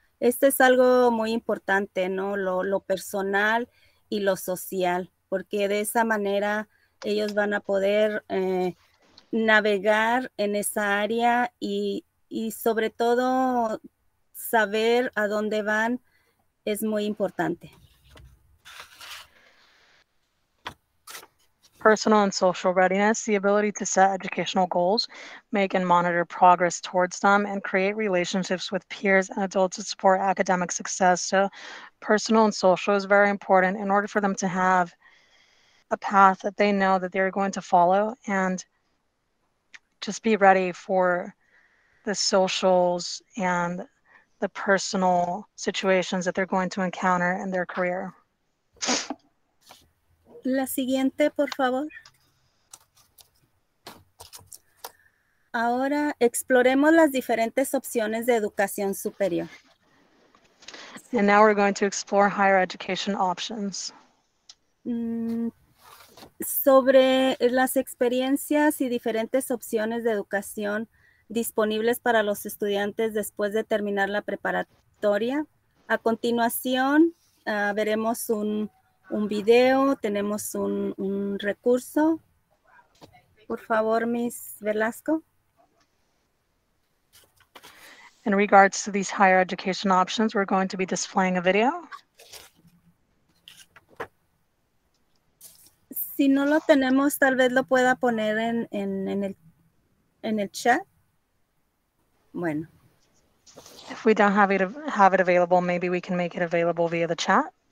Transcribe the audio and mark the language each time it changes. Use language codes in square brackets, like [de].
[es] Esto es algo muy importante, ¿no? Lo personal y lo social, porque de esa manera ellos van a poder navegar en esa área y sobre todo saber a dónde van es muy importante. [en] Personal and social readiness, the ability to set educational goals, make and monitor progress towards them, and create relationships with peers and adults to support academic success. So personal and social is very important in order for them to have a path that they know that they're going to follow, and just be ready for the socials and the personal situations that they're going to encounter in their career. [es] La siguiente, por favor. Ahora exploremos las diferentes opciones de educación superior. [en] And now we're going to explore higher education options. [es] Sobre las experiencias y diferentes opciones de educación disponibles para los estudiantes después de terminar la preparatoria. A continuación, veremos un video, tenemos un recurso. Por favor, Miss Velasco. [en] In regards to these higher education options, we're going to be displaying a video. [es] Si no lo tenemos, tal vez lo pueda poner en el chat. Bueno. [en] If we don't have it available, maybe we can make it available via the chat.